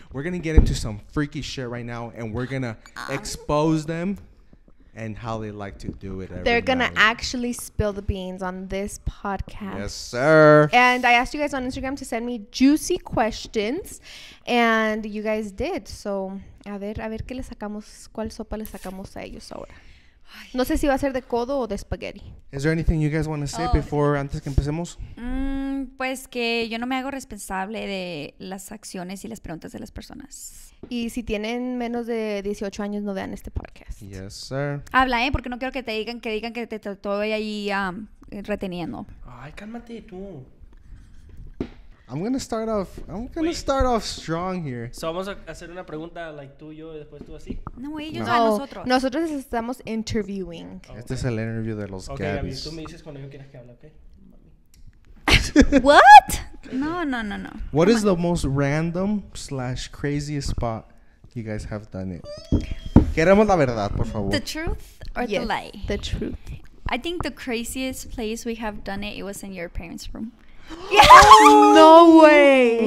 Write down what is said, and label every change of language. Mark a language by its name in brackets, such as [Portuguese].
[English] We're going to get into some freaky shit right now, and we're going to expose them and how they like to do it. They're going to actually spill the beans on this podcast. Yes, sir. And I asked you guys on Instagram to send me juicy questions, and you guys did. [Spanish] So, a ver qué le sacamos, cuál sopa le sacamos a ellos ahora. No sé si va a ser de codo o de espagueti. [English] Is there anything you guys want to say before, [Spanish] antes que empecemos? Pues que yo no me hago responsable de las acciones y las preguntas de las personas. Y si tienen menos de 18 años, no vean este podcast. [English] Yes, sir. [Spanish] Habla, porque no quiero que te digan que te estoy ahí reteniendo. Ay, cálmate tú. [English] I'm gonna start off strong here. [Spanish] So vamos a hacer una pregunta like tú y yo y después tú así. No, ellos no. Nosotros estamos interviewing. Okay. Este es el interview de los Gabbies. Okay, tú me dices cuando yo quieras que hable, ¿ok? [English] What? No. What is the most random / craziest spot you guys have done it? [Spanish] Queremos la verdad, por favor. [English] The truth or yes, the lie? The truth. I think the craziest place we have done it was in your parents' room. Yeah. No way.